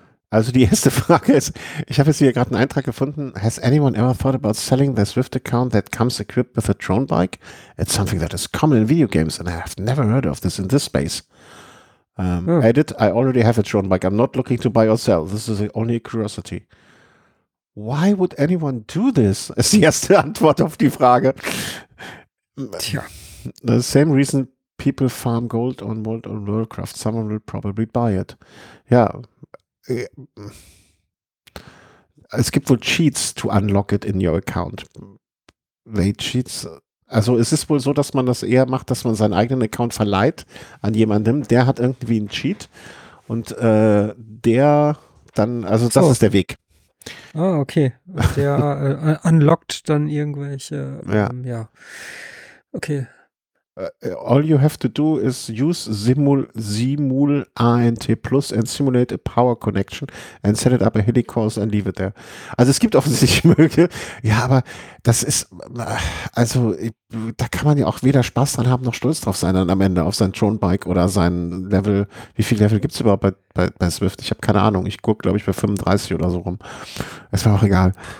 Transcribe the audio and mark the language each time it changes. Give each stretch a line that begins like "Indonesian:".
German: Also, die erste Frage ist, ich habe jetzt hier gerade einen Eintrag gefunden.
English: Has anyone ever thought about selling the Swift account that comes equipped with a drone bike? It's something that is common in video games and I have never heard of this in this space. Edit, I already have a drone bike. I'm not looking to buy or sell. This is only a curiosity. Why would anyone do this?
German: Ist die erste Antwort auf die Frage. Tja.
English: The same reason people farm gold on World of Warcraft. Someone will probably buy it.
German: Ja. Es gibt wohl
English: Cheats to unlock it in your account. Cheats.
German: Also es ist wohl so, dass man das eher macht, dass man seinen eigenen Account verleiht an jemandem, der hat irgendwie einen Cheat und der dann, also das ist der Weg. Ah, okay. Der unlockt dann irgendwelche, okay.
English: All you have to do is use Simul ANT Plus and simulate a power connection and set it up a helicourse and leave it there.
German: Also es gibt offensichtlich Möglichkeiten. Ja, aber das ist, also da kann man ja auch weder Spaß dran haben noch stolz drauf sein dann am Ende auf sein Drone-Bike oder sein Level. Wie viele Level gibt es überhaupt bei Swift? Ich habe keine Ahnung. Ich gucke, glaube ich, bei 35 oder so rum. Ist mir auch egal.